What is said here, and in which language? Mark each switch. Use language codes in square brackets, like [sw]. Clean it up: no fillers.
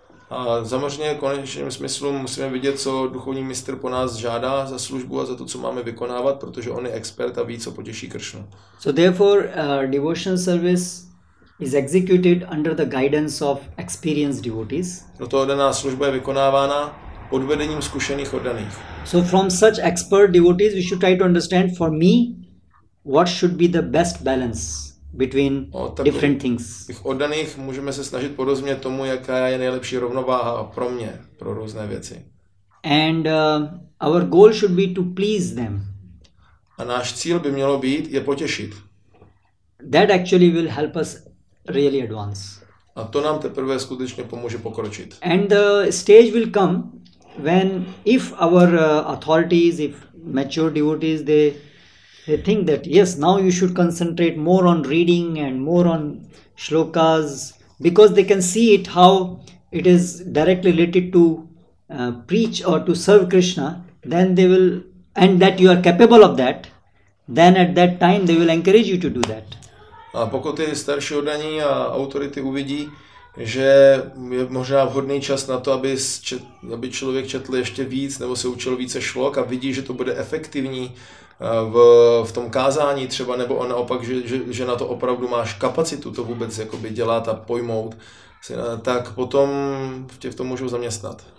[cs] A samozřejmě konečným smyslu musíme vidět, co duchovní mistr po nás žádá za službu a za to, co máme vykonávat, protože on je expert a ví, co potěší Kršnu. [en] So therefore, devotional service is executed under the guidance of experienced devotees. [cs] Proto oddaná služba je vykonávána pod vedením zkušených oddaných. [en] So from such expert devotees, we should try to understand for me, what should be the best balance. Between different things. [cs] Těch oddaných můžeme se snažit porozumět tomu, jaká je nejlepší rovnováha pro mě, pro různé věci. [en] And our goal should be to please them. [cs] A náš cíl by mělo být je potěšit. [en] That actually will help us really advance. [cs] A to nám teprve skutečně pomůže pokročit. [en] And the stage will come when if our authorities, if mature devotees, they think that yes, now you should concentrate more on reading and more on shlokas because they can see it how it is directly related to preach or to serve Krishna, then they will, and that you are capable of that, then at that time they will encourage you to do that. [cs] A pokud ty starší oddaní a autority uvidí, že je možná vhodný čas na to, aby člověk četl ještě víc nebo se učil více šlok a vidí, že to bude efektivní v tom kázání třeba, nebo naopak, že na to opravdu máš kapacitu to vůbec jakoby dělat a pojmout, tak potom tě v tom můžou zaměstnat.